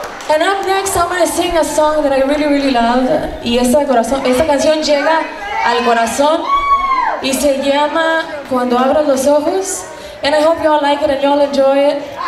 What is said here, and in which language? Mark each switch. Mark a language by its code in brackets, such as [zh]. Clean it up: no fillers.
[en] And up next, I'm gonna sing a song that I really, really love. [es] Y esta, corazón, esta canción llega al corazón y se llama Cuando Abras Los Ojos. [en] And I hope y'all like it and y'all enjoy it.